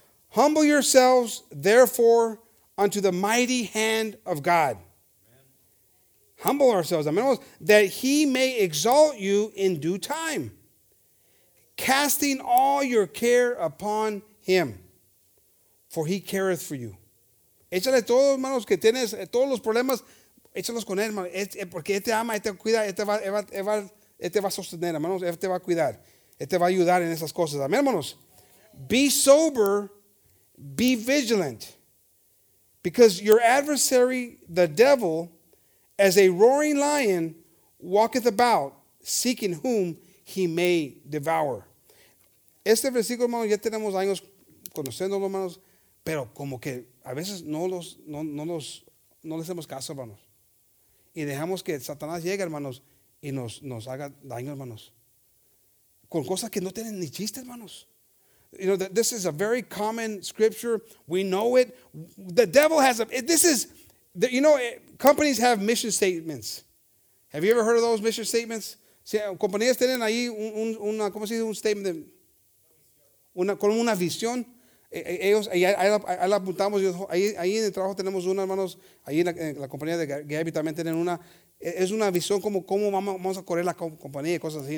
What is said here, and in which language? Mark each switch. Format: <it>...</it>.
<en>Humble yourselves, therefore, unto the mighty hand of God. Humble ourselves, amen, that he may exalt you in due time, casting all your care upon him, for he careth for you.</en> <es>Échale todo, hermanos, que tienes todos los problemas, échalos con él, hermano, porque él te ama, él te cuida, él te va a sostener, hermanos, él te va a cuidar, él te va a ayudar en esas cosas. Amén, hermanos.</es> <en>Be sober, be vigilant, because your adversary, the devil, as a roaring lion, walketh about, seeking whom he may devour.</en> <es>Este versículo, hermanos, ya tenemos años conociéndolo, hermanos, pero como que a veces no les hacemos caso, hermanos. Y dejamos que Satanás llegue, hermanos, y nos haga daño, hermanos. Con cosas que no tienen ni chiste, hermanos.</es> <en>You know, this is a very common scripture. We know it. The devil has a, this is, you know, companies have mission statements. Have you ever heard of those mission statements?</en> <es>Si, compañías tienen ahí una, ¿cómo se dice? Un statement, con una visión. Ellos, ahí la apuntamos. Ahí en el trabajo tenemos una, hermanos. Ahí en la compañía de Gabby también tienen una. Es una visión como cómo vamos a correr la compañía y cosas así.</es>